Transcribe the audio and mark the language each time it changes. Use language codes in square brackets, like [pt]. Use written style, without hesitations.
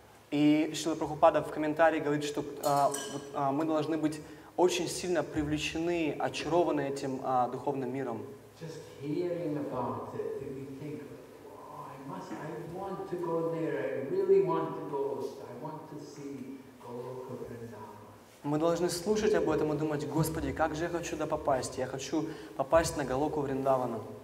[ru] И Шрила Прабхупада в комментарии говорит, что мы должны быть очень сильно привлечены, очарованы этим духовным миром. [en] Just hearing about it, do we think, oh, I want to go there, I really want to go, I want to see Goloka Vrindavan. [ru] Мы должны слушать об этом и думать, Господи, как же я хочу туда попасть? Я хочу попасть на Голоку Вриндавана.